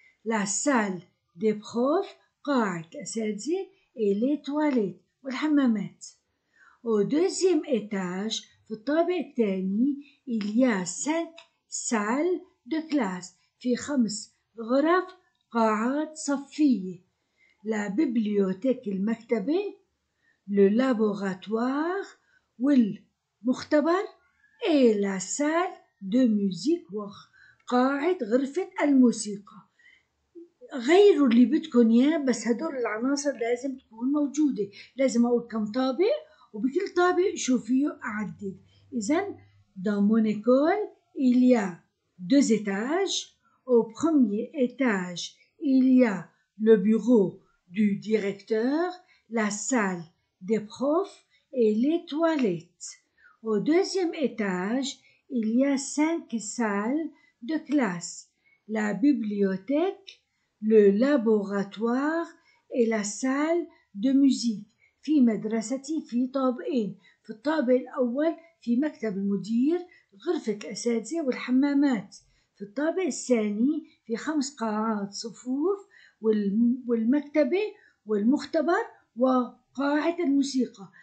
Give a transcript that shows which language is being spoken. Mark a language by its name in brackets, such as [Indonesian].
[French] لا سال دي بروف، [Arabic] قاعة الأساتذة. [French] إي لي تواليت، [Arabic] والحمامات. [French] أو دوزيام إيتاج، [Arabic] في الطابق الثاني [French] il y a 5 salles de classe، [Arabic] في 5 غرف قاعات صفية. [French] la bibliothèque، [Arabic] المكتبة. [French] le laboratoire، [Arabic] والمختبر. [French] et la salle de musique، [Arabic] وقاعة غرفة الموسيقى. غيروا اللي بدكم اياه، بس هدول العناصر لازم تكون موجودة. لازم اقول كم طابق، وبكل طابق شو فيه اعدد. [French] إذن dans mon école il y a 2 étages، au premier étage il y a le bureau du directeur، la salle des profs et les toilettes. au deuxième étage il y a 5 salles de classe، la bibliothèque، le laboratoire et la salle de musique. [Arabic] في مدرستي في طابقين، في الطابق الأول في مكتب المدير، غرفة الأساتذة والحمامات في الطابق الثاني في 5 قاعات صفوف والمكتبة والمختبر وقاعة الموسيقى.